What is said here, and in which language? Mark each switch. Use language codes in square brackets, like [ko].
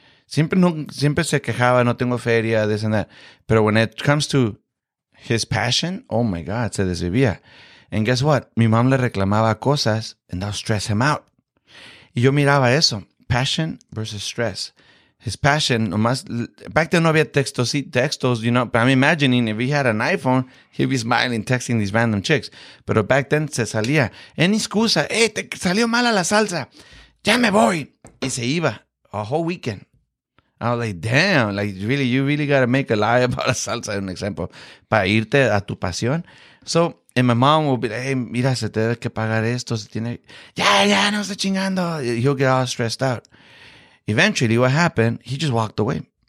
[es] Siempre se quejaba, no tengo feria, [en] this and that. But when it comes to his passion, oh my God, [es] se desvivía. [en] And guess what? [es] Mi mom le reclamaba cosas [en] and that would stress him out. [es] Y yo miraba eso. [en] Passion versus stress. His passion, nomás, back then [es] no había textos, [en] you know, but I'm imagining if he had an iPhone, he'd be smiling, texting these random chicks. [es] Pero [en] back then [es] se salía. Any excusa, hey, te salió mala la salsa. Ya me voy. Y se iba a [en] whole weekend. I was like, damn, like really, you really got to make a lie about a salsa, an example, [es] para irte a tu pasión. [en] So, and my mom will be like, hey, [es] mira, se te debe que pagar esto, se tiene, ya, no estoy chingando. [en] He'll get all stressed out. Eventually, what happened, he just walked away.